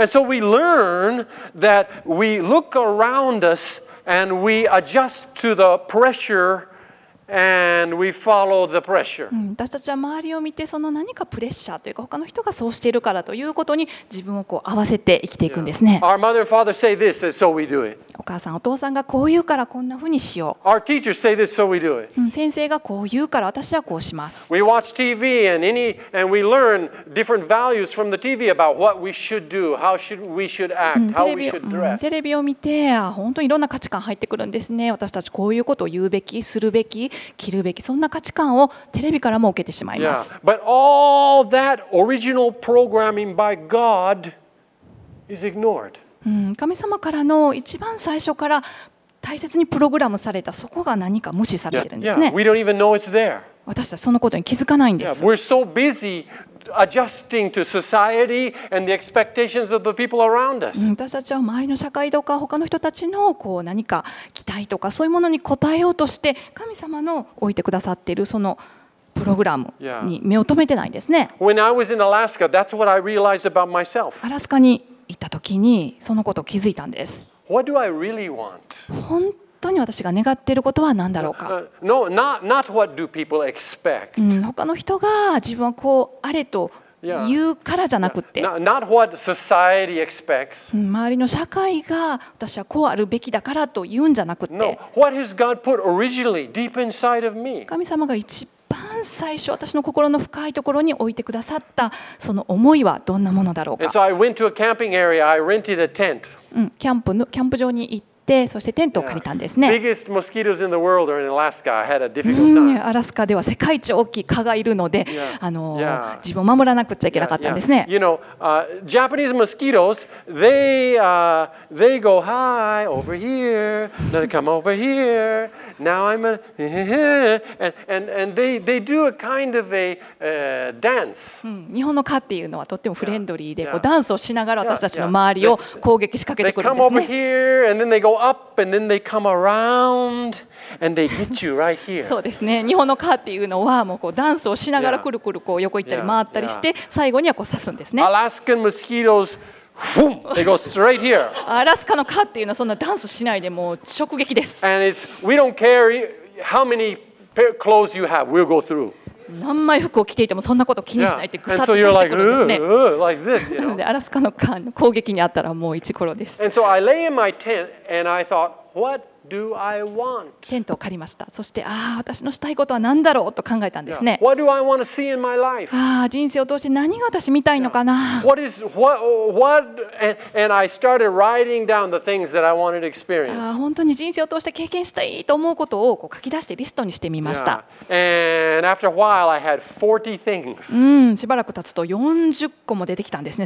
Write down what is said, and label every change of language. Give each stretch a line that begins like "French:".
English: And so we learn that we look around us. And we adjust to the pressure, and we follow the pressure.
Japanese: 私たちは周りを見てその何かプレッシャーというか他の人がそうしているからということに自分をこう合わせて生きていくんですね。
English: Our mother and father say this, and so we do it.
Japanese: お母さんお父さんがこう言うからこんなふうにしよう。
English: Our teachers say this, so we do it.
Japanese: 先生がこう言うから私はこうします。
English: We watch TV and we learn different values from the TV about what we should do, how should we should act, how we should dress.
Japanese: テレビを見て本当にいろんな価値観入ってくるんですね。私たちこういうことを言うべきするべき。着るべきそんな価値観をテレビからも受けてしまいます。
English: Yeah. But all that original programming by God is ignored.
Japanese: 神様からの一番最初から大切にプログラムされたそこが何か無視されてるんですね。
English: Yeah. Yeah. We don't even know it's there.
Japanese: 私たちそのことに気づかないんです。
English: Yeah. We're so busy adjusting to society and the expectations of the people around us.
Japanese: 私たちは周りの社会とか他の人たちのこう何か期待とかそういうものに応えようとして神様の置いてくださっているそのプログラムに目を留めてないんですね。
English: When I was in Alaska, that's what I realized about myself.
Japanese: アラスカに行った時にそのことを気づいたんです。
English: What do I really want?
Japanese: 本当本当に私が願っていることは何だろうか。
English: Not what do people expect.
Japanese: 他の人が自分はこうあれと言うからじゃなくて、
English: Not what society expects.
Japanese: 周りの社会が私はこうあるべきだからと言うんじゃなくて、
English: No. What has God put originally deep inside of me?
Japanese: 神様が一番最初私の心の深いところに置いてくださったその思いはどんなものだろうか。
English: And so I went to a camping area. I rented a tent.
Japanese: キャンプ場に行って。でそしてテントを借りたんですね。
English: Biggest mosquitoes in the world are in Alaska. I had a difficult time.
Japanese: アラスカでは世界一大きい蚊がいるので、自分を守らなくちゃいけなかったんですね。
English: You know, Japanese mosquitoes, they go hi over here, then come over here. Now I'm a and they do a kind of a dance.
Japanese: 日本の蚊っていうのはとってもフレンドリーで、こうダンスをしながら私たちの周りを攻撃しかけてくるんですね。
English: They come over here and then they go. Up and then they come around and they get you right here.
Japanese: そうですね。日本のカーっていうのはもうこうダンスをしながらくるくるこう横行ったり回ったりして最後にはこう刺すんですね。
English: Alaskan mosquitoes, boom, they go straight here.
Japanese: アラスカのカーっていうのはそんなダンスしないでもう直撃です。
English: And it's we don't care how many pair clothes you have, we'll go through.
Japanese: 何枚服を着ていてもそんなこと気にしないってぐさっとしてくるんですね。なのでアラスカの蚊の攻撃にあったらもう一頃です。
English: And so I lay in my tent and I thought, what do I want?
Japanese: テントを借りました。そして、ああ、私のしたいことは何だろうと考えたんですね。
English: What do I want to see in my life?
Japanese: ああ、人生を通して何が私見たいのかな。
English: What is what and I started writing down the things that I wanted to experience.
Japanese: ああ、本当に人生を通して経験したいと思うことをこう書き出してリストにしてみました。
English: And after a while, I had 40 things.
Japanese: しばらく経つと40個も出てきたんですね。